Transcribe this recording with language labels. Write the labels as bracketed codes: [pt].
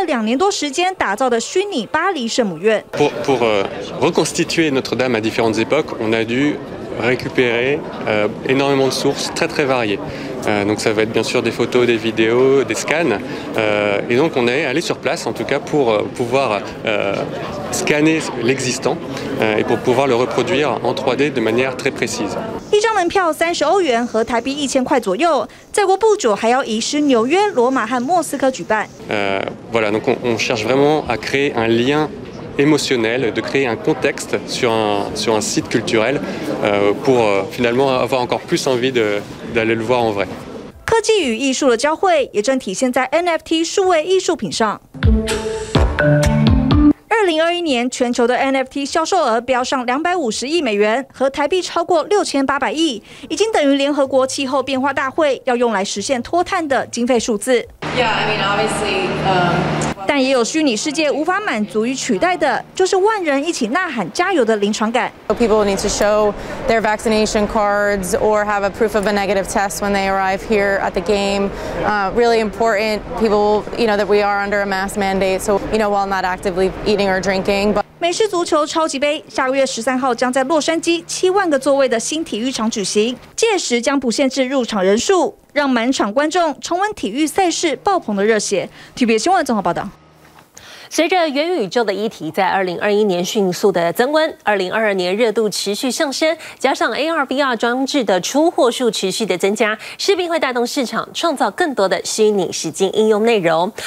[zh] 就连巴黎圣母院的主教也来亲自体验这个由法国一间新创花了2年多时间打造的虚拟巴黎圣母院。 [fr] Pour reconstituer Notre-Dame à différentes époques, on a dû récupérer énormément de sources très très variées. Donc ça va être bien sûr des photos, des vidéos, des scans. Et donc on est allé sur place en tout cas pour pouvoir scanner l'existant et pour pouvoir le reproduire en 3D de manière très précise. [zh] 一张门票30欧元和台币1000块左右，再过不久还要移师纽约、罗马和莫斯科举办。 [fr] Voilà, donc on cherche vraiment à créer un lien émotionnel, de créer un contexte sur un site culturel pour finalement avoir encore plus envie d'aller le voir en vrai. [zh] 科技与艺术的交汇也正体现在 NFT 数位艺术品上。 2021年全球的 NFT 销售额飙上250亿美元，和台币超过6800亿，已经等于联合国气候变化大会要用来实现脱碳的经费数字。 [en] Yeah, I mean, obviously, [zh] 但也有虚拟世界无法满足与取代的，就是万人一起呐喊加油的临床感。 [en] People need to show their vaccination cards or have a proof of a negative test when they arrive here at the game. Really important. People, you know, that we are under a mask mandate. So, you know, while not actively eating or drinking, but [zh] 美式足球超级杯下个月13号将在洛杉矶70000个座位的新体育场举行，届时将不限制入场人数，让满场观众重温体育赛事爆棚的热血。 TVBS 新闻综合报道。随着元宇宙的议题在2021年迅速的增温，2022年热度持续上升，加上 AR/VR 装置的出货数持续的增加，势必会带动市场创造更多的虚拟实境应用内容。